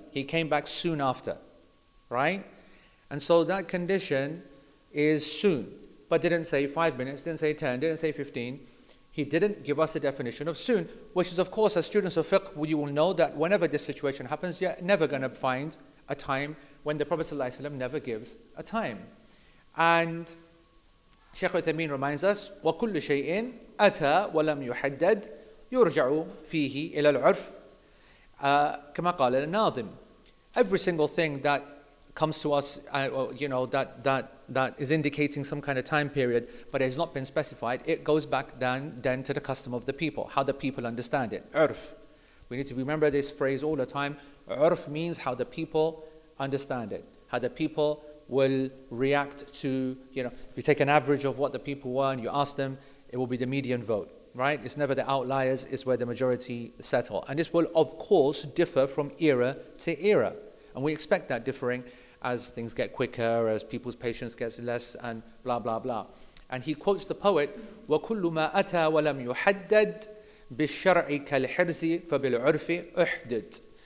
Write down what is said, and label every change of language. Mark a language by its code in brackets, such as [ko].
[en] He came back soon after, right? And so that condition is soon, but didn't say 5 minutes, didn't say 10, didn't say 15. He didn't give us the definition of soon, which is, of course, as students of fiqh, you will know that whenever this situation happens, you're never going to find a time when the Prophet ﷺ never gives a time. And Shaykh Uthaymeen reminds us, [ar] وكل شيء أتى ولم يحدد يرجع فيه إلى العرف كما قال الناظم. [en] Every single thing that comes to us, you know, that is indicating some kind of time period, but it has not been specified, it goes back then to the custom of the people, how the people understand it. [ar] عرف. [en] We need to remember this phrase all the time. عرف means how the people understand it, how the people will react to, you know, if you take an average of what the people were and you ask them, it will be the median vote. Right, it's never the outliers, it's where the majority settle. And this will, of course, differ from era to era. And we expect that differing as things get quicker, as people's patience gets less, and blah, blah, blah. And he quotes the poet, [ar] وَكُلُّ مَا أَتَى وَلَمْ يُحَدَّدْ بِالشَّرْعِ كَالْحِرْزِ فَبِالْعُرْفِ أُحْدِدْ.